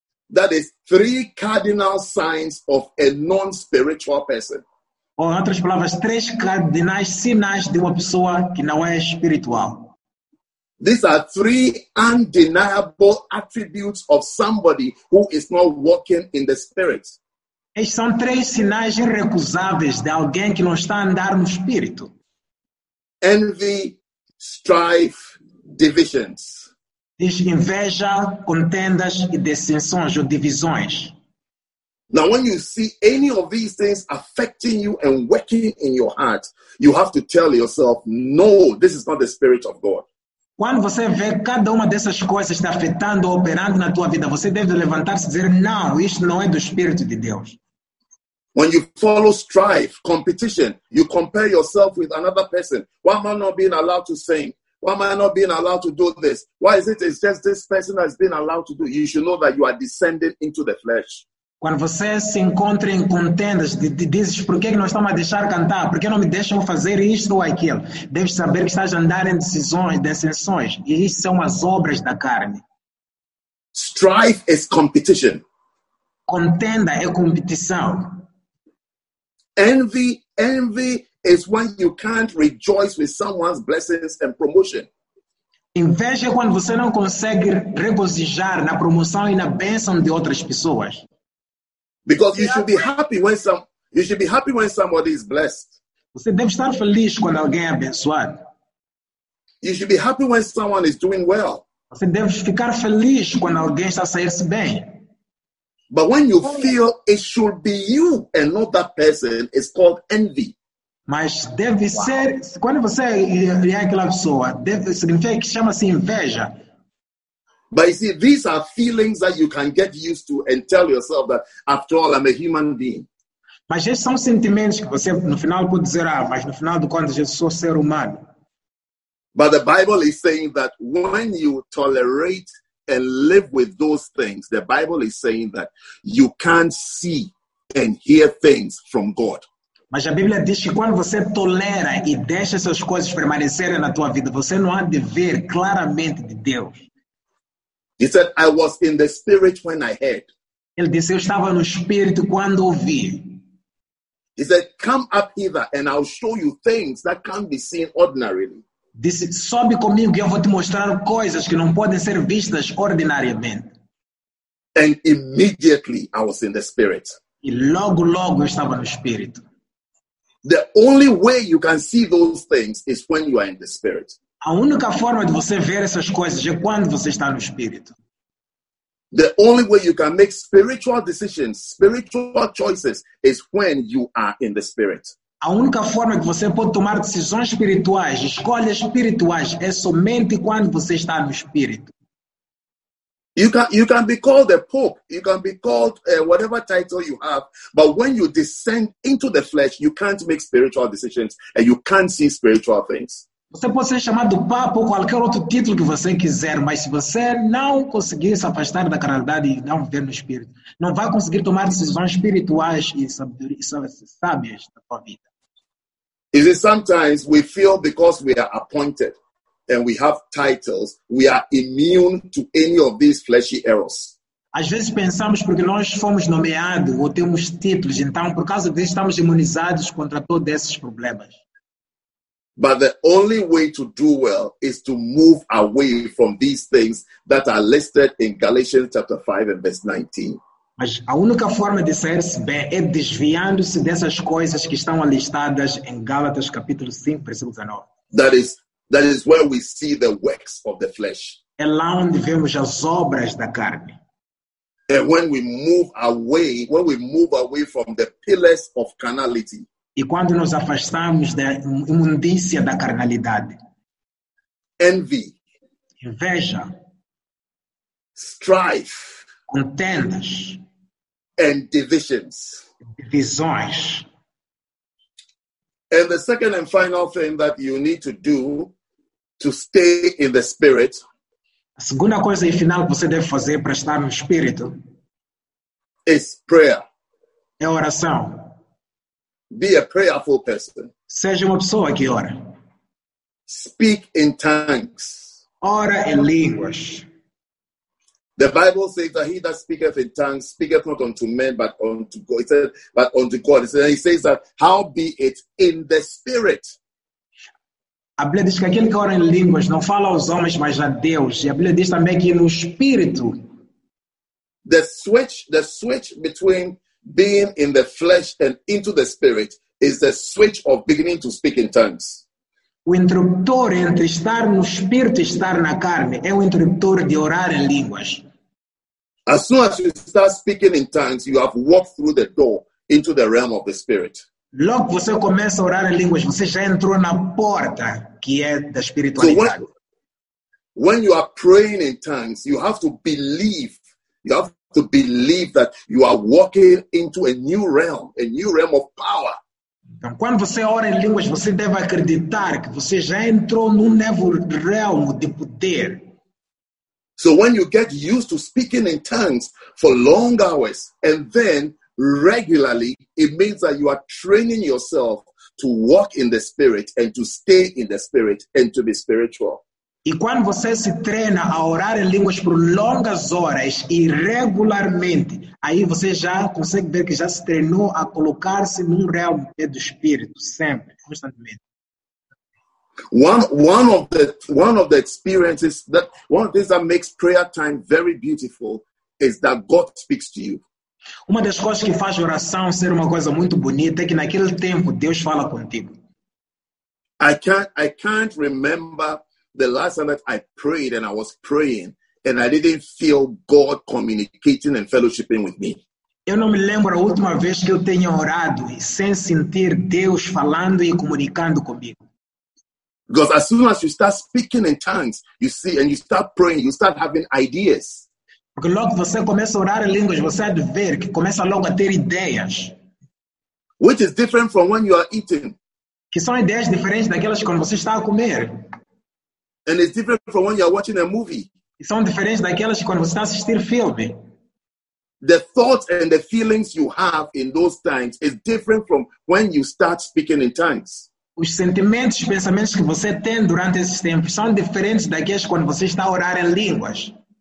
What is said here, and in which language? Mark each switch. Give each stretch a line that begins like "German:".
English: That is three cardinal signs of a non-spiritual person.
Portuguese: Ou, em outras palavras, três cardinais sinais de uma pessoa que não é espiritual.
English: These are three undeniable attributes of somebody who is not walking in the Spirit.
Portuguese: Estes são três sinais irrecusáveis de alguém que não está a andar no Espírito.
English: Envy, strife, divisions.
Portuguese: Inveja, contendas e dissensões ou divisões.
English: Now, when you see any of these things affecting you and working in your heart, you have to tell yourself, no, this is not the Spirit of God.
Portuguese: Quando você vê cada uma dessas coisas te afetando ou operando na tua vida, você deve levantar-se e dizer, não, isto não é do Espírito de Deus.
English: When you follow strife, competition, you compare yourself with another person. Why am I not being allowed to sing? Why am I not being allowed to do this? Why is it it's just this person that's been allowed to do? You should know that you are descending into the flesh.
Portuguese: Quando você se encontra em contendas, dizes, por que não estão a deixar cantar? Por que não me deixam fazer isto ou aquilo? Deves saber que estás a andar em decisões, dissensões. E isso são as obras da carne.
English: Strife is competition.
Portuguese: Contenda é competição.
English: Envy is when you can't rejoice with someone's blessings and promotion.
Portuguese: Inveja é quando você não consegue regozijar na promoção e na bênção de outras pessoas.
English: Because you should be happy when somebody is blessed.
Portuguese: Você deve estar feliz quando alguém é abençoado.
English: You should be happy when someone is doing well.
Portuguese: Você deve ficar feliz quando alguém está saindo bem.
English: But when you feel it should be you and not that person, it's called envy.
Portuguese: Mas deve ser, quando você é aquela pessoa, significa que chama-se inveja.
English: But you see, these are feelings that you can get used to and tell yourself that, after all, I'm a human being.
Portuguese: Mas esses são sentimentos que você, no final, pode dizer, ah, mas no final do conto, eu sou ser humano.
English: But the Bible is saying that when you tolerate and live with those things, the Bible is saying that you can't see and hear things from God.
Portuguese: Mas a Bíblia diz que quando você tolera e deixa essas coisas permanecerem na tua vida, você não há de ver claramente de Deus.
English: He said, I was in the spirit when I heard.
Portuguese: Ele disse, eu estava no espírito quando ouvi.
English: He said, come up hither and I'll show you things that can't be seen ordinarily.
Portuguese: Disse, sobe comigo e eu vou te mostrar coisas que não podem ser vistas ordinariamente.
English: And immediately I was in the spirit.
Portuguese: E logo, logo eu estava no espírito.
English: The only way you can see those things is when you are in the spirit.
Portuguese: A única forma de você ver essas coisas é quando você está no espírito.
English: The only way you can make spiritual decisions, spiritual choices, is when you are in the spirit.
Portuguese: A única forma que você pode tomar decisões espirituais, escolhas espirituais, é somente quando você está no espírito.
English: You can be called a pope, you can be called whatever title you have, but when you descend into the flesh, you can't make spiritual decisions and you can't see spiritual things.
Portuguese: Você pode ser chamado papa ou qualquer outro título que você quiser, mas se você não conseguir se afastar da caridade e não viver no espírito, não vai conseguir tomar decisões espirituais e sábias da sua vida.
English: Is it sometimes we feel because we are appointed and we have titles, we are immune to any of these fleshy errors?
Portuguese: Às vezes pensamos porque nós fomos nomeados ou temos títulos, então por causa disso estamos imunizados contra todos esses problemas.
English: But the only way to do well is to move away from these things that are listed in Galatians chapter 5 and verse 19.
Portuguese: Mas a única forma de sair-se bem é desviando-se dessas coisas que estão listadas em Gálatas capítulo 5, versículo 19.
English: That is where we see the works of the flesh.
Portuguese: É lá onde vemos as obras da carne.
English: And when we move away from the pillars of carnality.
Portuguese: E quando nos afastamos da imundícia da carnalidade.
English: Envy.
Portuguese: Inveja.
English: Strife.
Portuguese: Contendas.
English: And divisions.
Portuguese: Divisões.
English: And the second and final thing that you need to do to stay in the spirit.
Portuguese: A segunda coisa e final que você deve fazer para estar no espírito.
English: Is prayer.
Portuguese: É oração.
English: Be a prayerful person.
Portuguese: Seja uma pessoa que ora.
English: Speak in tongues.
Portuguese: Ora em línguas.
English: The Bible says that he that speaketh in tongues speaketh not unto men but unto God. It says, but unto God. He says that how be it in the spirit.
Portuguese: A Bíblia diz que aquele que ora em línguas não fala aos homens, mas a Deus. E a Bíblia diz também que no espírito.
English: The switch between being in the flesh and into the spirit is the switch of beginning to speak in tongues.
Portuguese: O interruptor entre estar no espírito e estar na carne é o interruptor de orar em línguas.
English: As soon as you start speaking in tongues, you have walked through the door into the realm of the spirit.
Portuguese: Logo que você começa a orar em línguas, você já entrou na porta que é da espiritualidade.
English: So when you are praying in tongues, you have to believe. You have to believe that you are walking into a new realm of power.
Portuguese: Então, quando você ora em línguas, você deve acreditar que você já entrou num novo realm de poder.
English: So when you get used to speaking in tongues for long hours and then regularly, it means that you are training yourself to walk in the spirit and to stay in the spirit and to be spiritual.
Portuguese: E quando você se treina a orar em línguas por longas horas e regularmente, aí você já consegue ver que já se treinou a colocar-se num real do espírito sempre, constantemente.
English: One of the experiences that one of the things that makes prayer time very beautiful is that God speaks to you.
Portuguese: Uma das coisas que faz oração ser uma coisa muito bonita é que naquele tempo Deus fala contigo.
English: I can't remember the last time that I prayed and I was praying and I didn't feel God communicating and fellowshipping with me.
Portuguese: Eu não me lembro a última vez que eu tenha orado e sem sentir Deus falando e comunicando comigo.
English: Because as soon as you start speaking in tongues, you see, and you start praying, you start having ideas.
Portuguese: Porque logo que você começa a orar em línguas, você vai ver que começa logo a ter ideias.
English: Which is different from when you are eating.
Portuguese: Que são ideias diferentes daquelas quando você está a comer.
English: And it's different from when you are watching a movie.
Portuguese: São diferentes daquelas que quando você está assistindo filme.
English: The thoughts and the feelings you have in those times is different from when you start speaking in tongues.
Portuguese: Os sentimentos e pensamentos que você tem durante esses tempos são diferentes daqueles quando você está a orar em línguas.